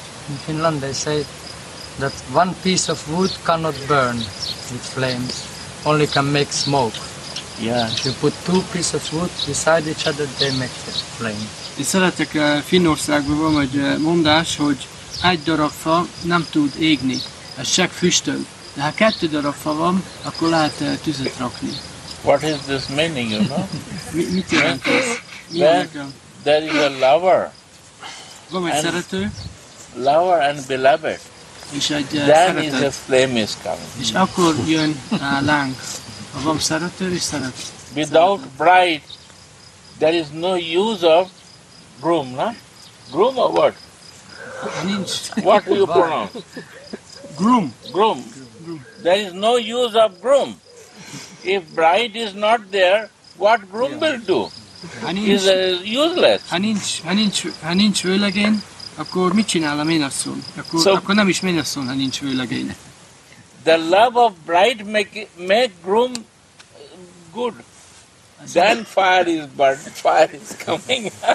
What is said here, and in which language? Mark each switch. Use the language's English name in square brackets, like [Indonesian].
[English] In Finland they say that one piece of wood cannot burn with flames, only can make smoke. Yeah. If you put two pieces of wood beside each other, they make the flame. [Hungarian] Én szeretek Finnországban van egy mondás, hogy egy darab fa nem tud égni, ez csak füstöl. De ha kettő darab fa van, akkor lehet tüzet rakni. [English] What is this meaning, you know? [Hungarian] mit jelent ez? [English] There is a lover. [Hungarian] Van egy szerető. [English] Lover and beloved. [Hungarian] És egy [English] is a flame is coming. [Hungarian] És akkor jön a láng. Ha van szerető, és szeret. [English] Without bride, there is no use of groom, na? Groom or what? [Hungarian] Nincs. [English] What do you pronounce? Groom. Groom. There is no use of groom. If bride is not there, what groom will do? [Hungarian] Nincs. [English] Is useless. [Hungarian] Ha nincs vőlegény, akkor mit csinál a mennyasszony? Akkor nem is mennyasszony, ha nincs vőlegény. [English] the love of bride make groom good. Then fire is burned, fire is coming.